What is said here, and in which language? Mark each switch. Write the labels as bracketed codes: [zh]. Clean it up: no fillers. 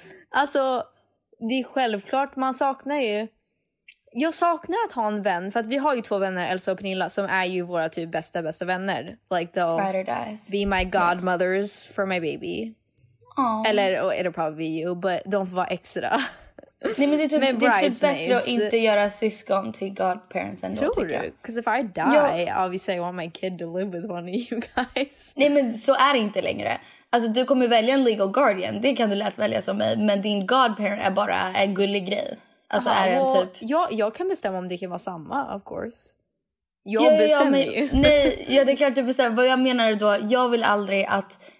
[sv] Alltså, det är självklart man saknar ju. Jag saknar att ha en vän, för att vi har ju två vänner, Elsa och Pernilla, som är ju våra typ bästa vänner. [en] Like the ride or dies. Be my godmothers for my baby. Aww. Eller, oh, it'll probably be you, but [sv] de får vara extra. Nej, men det är typ bättre att inte göra syskon till godparents ändå, tror tycker jag. [en] Because if I die, [sv] ja. [en] Obviously I want my kid to live with one of you guys. [sv] Nej, men så är det inte längre. Alltså, du kommer välja en legal guardian, det kan du lätt välja som mig. Men din godparent är bara en gullig grej. Alltså, aha, är en typ... Jag kan bestämma om det kan vara samma, [en] of course. [sv] Jag bestämmer ju. Nej, ja, det är klart du bestämmer. Vad jag menar då, jag vill aldrig att...